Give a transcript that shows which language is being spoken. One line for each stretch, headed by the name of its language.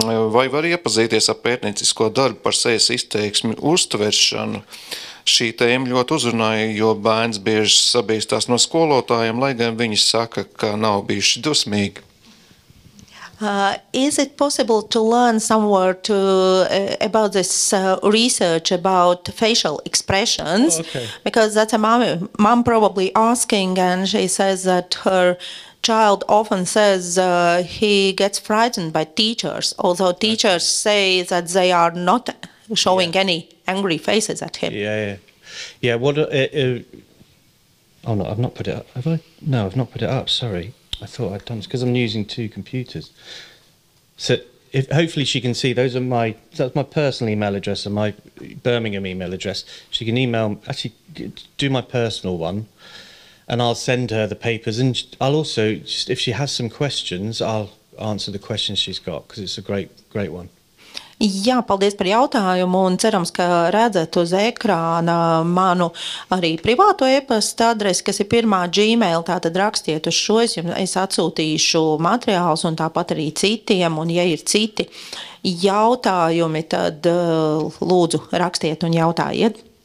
Latvian: Vai var iepazīties ar pētniecisko darbu par sejas izteiksmi uztveršanu? Šī tēma ļoti uzrunāja, jo bērns bieži sabīstās no skolotājiem, lai gan viņi saka, ka nav bijuši dusmīgi.
English: Is it possible to learn somewhere to about this research about facial expressions? Oh, okay. Because that's a mom probably asking, and she says that her child often says he gets frightened by teachers, although teachers say that they are not showing any angry faces at him. Yeah. What? I've not put it up. Have I? No, I've not put it up. Sorry. I thought I'd done this because I'm using two computers. So if hopefully she can see, those are my, that's my personal email address and my Birmingham email address. She can email, actually do my personal one, and I'll send her the papers. And I'll also, just if she has some questions, I'll answer the questions she's got, because it's a great one.
Latvian: Jā, paldies par jautājumu, un cerams, ka redzat uz ekrāna manu arī privāto e-pasta adresi, kas ir pirmā Gmail, tātad rakstiet uz šo, es atsūtīšu materiālus un tāpat arī citiem, un ja ir citi jautājumi, tad lūdzu rakstiet un jautājiet.